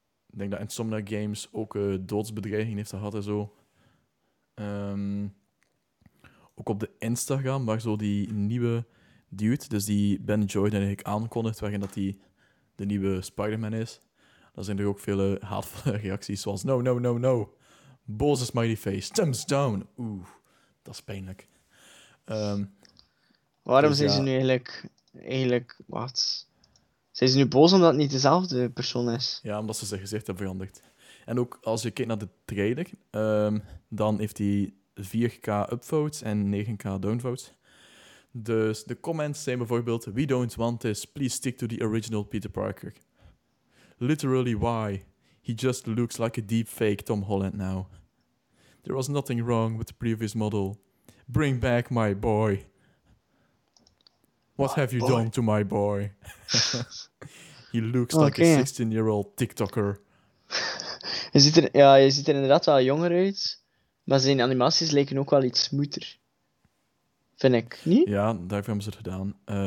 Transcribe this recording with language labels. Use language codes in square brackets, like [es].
[nl] Ik denk dat Insomniac Games ook doodsbedreiging heeft gehad en zo. Ook op de Instagram, waar zo die nieuwe dude, dus die Ben Jordan eigenlijk aankondigt, waarin dat die de nieuwe Spider-Man is. Daar zijn er ook vele haatvolle reacties, zoals [en] no, no, no, no. [nl] Boze [en] smiley face, thumbs down. [nl] Oeh, dat is pijnlijk. Waarom dus, zijn ze nu eigenlijk wat... Zijn ze nu boos omdat het niet dezelfde persoon is? Ja, omdat ze zijn gezicht hebben veranderd. En ook als je kijkt naar de trailer, dan heeft hij 4K upvotes en 9K downvotes. Dus de comments zijn bijvoorbeeld... [en] We don't want this. Please stick to the original Peter Parker. Literally, why? He just looks like a deep fake Tom Holland now. There was nothing wrong with the previous model. Bring back my boy. What have you done to my boy? He looks like a 16-year-old TikToker. [nl] Je ziet er inderdaad wel jonger uit. Maar zijn animaties lijken ook wel iets smoeter. Vind ik, niet? Ja, daarvoor hebben ze het gedaan.